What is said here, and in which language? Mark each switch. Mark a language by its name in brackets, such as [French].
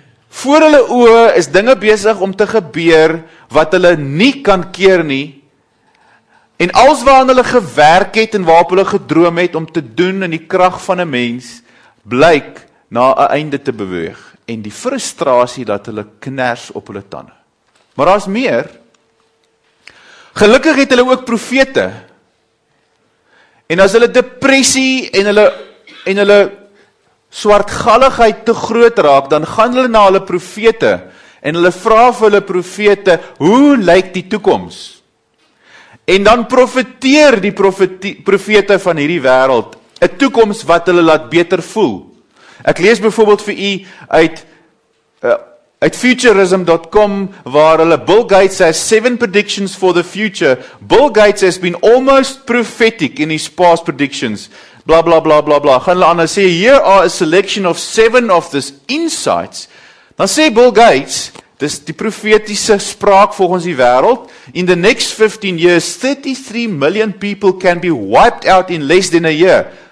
[Afrikaans] Voor hulle oë is dinge besig om te gebeur wat hulle nie kan keer nie. En als waaraan hulle gewerk het en waarop hulle gedroom het om te doen in die krag van 'n mens, blyk na 'n einde te beweeg en die frustrasie dat hulle kners op hulle tande. Maar daar's meer. Gelukkig het hulle ook profete. En as hulle depressie en hulle swartgalligheid te groot raak, dan gaan hulle na hulle profete en hulle vra vir hulle profete, hoe lyk die toekoms? En dan profeteer die profete van hierdie wêreld 'n toekoms wat hulle laat beter voel. Ek lees byvoorbeeld vir u uit futurism.com waar hulle Bill Gates [English] has 7 predictions for the future. Bill Gates has been almost prophetic in his past predictions. Bla bla bla bla bla. [Afrikaans] Gaan hulle aan sê [English] here are a selection of 7 of these insights. [Afrikaans] Dan sê Bill Gates dis die profetiese spraak volgens die wêreld. [English] In the next 15 years, 33 million people can be wiped out in less than a year.